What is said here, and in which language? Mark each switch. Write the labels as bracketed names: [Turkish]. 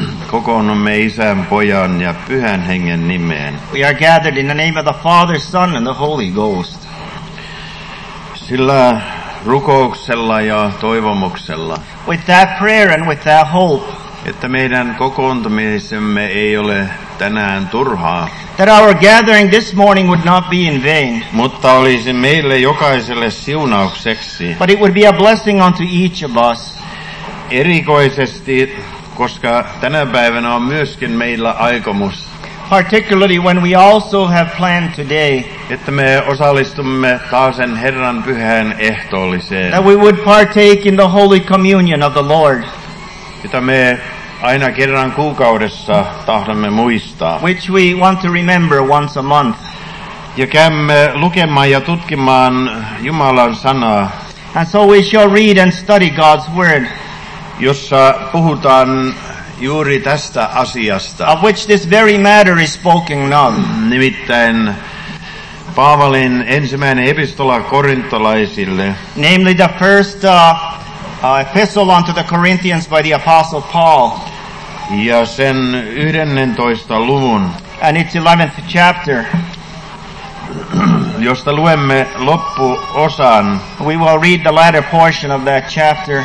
[Finnish] Kokoonnumme Isän, Pojan ja Pyhän Hengen nimeen. [English] We are gathered in the name of the Father, Son and the Holy Ghost. [Finnish] Sillä rukouksella ja toivomuksella. [English] With that prayer and with that hope. [Finnish] Että meidän kokoontumisemme ei ole tänään turhaa. [English] That our gathering this morning would not be in vain. [Finnish] Mutta olisi meille jokaiselle siunaukseksi. [English] But it would be a blessing unto each of us. [Finnish] Erikoisesti koska tänä päivänä on myöskin meillä aikomus. [English] Particularly when we also have planned today. [Finnish] Että me osallistumme taasen Herran pyhään ehtoolliseen. [English] That we would partake in the holy communion of the Lord. [Finnish] Jota me aina kerran kuukaudessa tahdomme muistaa. [English] Which we want to remember once a month. [Finnish] Ja käymme lukemaan ja tutkimaan Jumalan sanaa. [English] And so we shall read and study God's word. [Finnish] Jossa puhutaan juuri tästä asiasta. [English] Of which this very matter is spoken of. [Finnish] Nimittäin Paavalin ensimmäinen epistola korintolaisille. [English] Namely the first epistle unto the Corinthians by the Apostle Paul. [Finnish] Ja sen 11. luvun. [English] And its 11th chapter. [Finnish] Josta luemme loppuosan. [English] We will read the latter portion of that chapter.